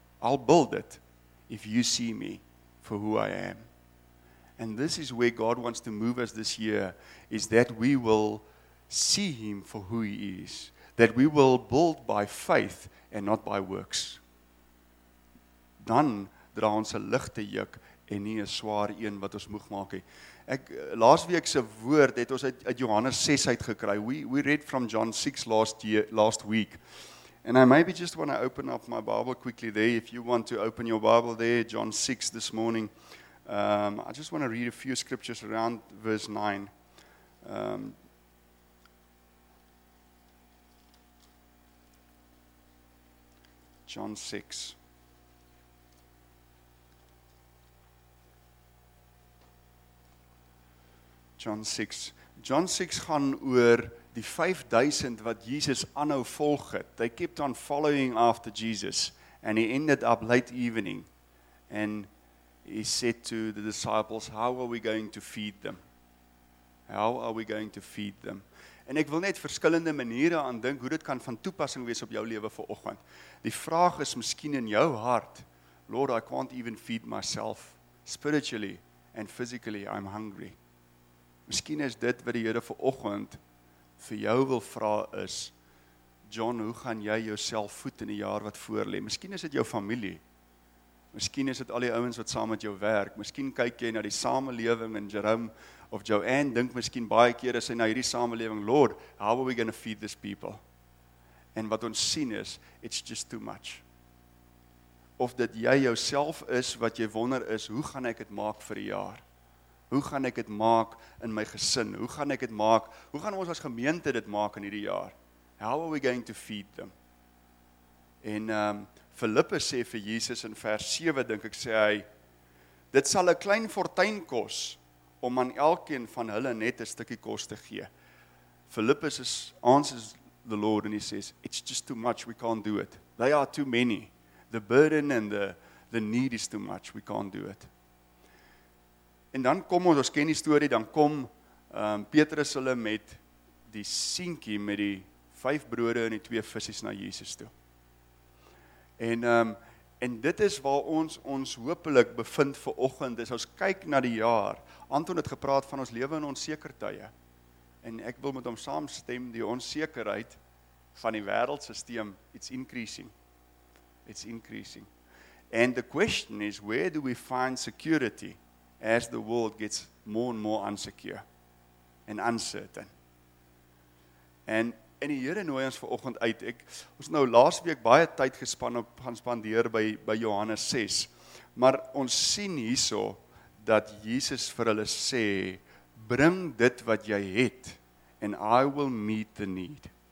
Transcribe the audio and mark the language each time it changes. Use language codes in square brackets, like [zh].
[en] I'll build it if you see me for who I am. And this is where God wants to move us this year, is that we will see Him for who He is. That we will build by faith and not by works. [af] Dan dra ons 'n ligte juk en nie 'n swaar een wat ons moeg maak nie. Ek, laasweek se woord het ons uit Johannes 6 uitgekry. [en] We read from John 6 last week. And I maybe just want to open up my Bible quickly there. If you want to open your Bible there, John 6 this morning. I just want to read a few scriptures around verse 9. John 6. John 6. [af] John 6 gaan oor die 5000 wat Jesus aanhou volg het. [en] They kept on following after Jesus. And he ended up late evening. And he said to the disciples, how are we going to feed them? How are we going to feed them? [af] En ek wil net verskillende maniere aan dink hoe dit kan van toepassing wees op jou lewe vanoggend. Die vraag is miskien in jou hart, [en] Lord, I can't even feed myself spiritually and physically. I'm hungry. [af] Miskien is dit wat die Here vanoggend vir jou wil vra is, John, hoe gaan jy jouself voed in die jaar wat voor lê? Miskien is dit jou familie. Miskien is dit al die ouens wat saam met jou werk. Miskien kyk jy na die samelewing in Jerome of Joanne, dink miskien baie keer as hy na hierdie samelewing, [en] Lord, how are we going to feed these people? [af] En wat ons sien is, [en] it's just too much. [af] Of dat jy jouself is wat jy wonder is, hoe gaan ek dit maak vir die jaar? Hoe gaan ek dit maak in my gesin? Hoe gaan ek dit maak? Hoe gaan ons as gemeente dit maak in hierdie jaar? [en] How are we going to feed them? [af] En Filippus sê vir Jesus in vers 7, denk ek, sê hy, dit sal 'n klein fortuin kos om aan elkeen van hulle net 'n stukkie kos te gee. [en] Filippus is, answers the Lord and he says, it's just too much, we can't do it. They are too many. The burden and the need is too much, we can't do it. [af] En dan kom ons ken die story, dan kom Petrus hulle met die seentjie, met die 5 brode en die 2 visse na Jesus toe. En dit is waar ons hopelik bevind vir oggend, is ons kyk na die jaar. Anton het gepraat van ons lewe in onseker tye. En ek wil met hom saamstem, die onsekerheid van die wêreldsisteem, [en] it's increasing. It's increasing. And the question is, where do we find security as the world gets more and more insecure and uncertain. [af] En die Here nooi ons vanoggend uit. Ons nou laas week baie tyd gaan spandeer by Johannes 6, maar ons sien hierso dat Jesus vir hulle sê, bring dit wat jy het, [en] and I will meet the need.